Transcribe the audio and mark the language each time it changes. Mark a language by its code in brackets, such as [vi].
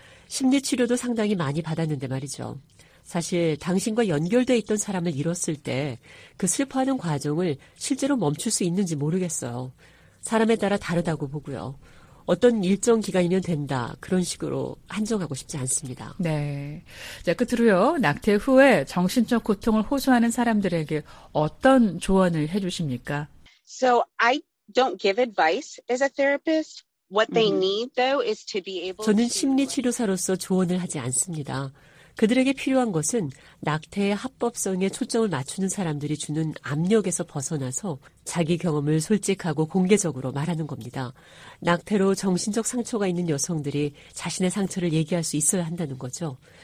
[ko] 심리치료도 상당히 많이 받았는데 말이죠. 사실 당신과 연결돼 있던 사람을 잃었을 때 그 슬퍼하는 과정을 실제로 멈출 수 있는지 모르겠어요. 사람에 따라 다르다고 보고요. 어떤 일정 기간이면 된다 그런 식으로 한정하고 싶지 않습니다. 네. 자, 끝으로요. 낙태 후에 정신적 고통을 호소하는 사람들에게 어떤 조언을 해주십니까? [en] So I don't give advice as a therapist. What they need, though, is to be able. [ko] 저는 심리 치료사로서 조언을 하지 않습니다. 그들에게 필요한 것은 낙태의 합법성에 초점을 맞추는 사람들이 주는 압력에서 벗어나서 자기 경험을 솔직하고 공개적으로 말하는 겁니다. 낙태로 정신적 상처가 있는 여성들이 자신의 상처를 얘기할 수 있어야 한다는 거죠.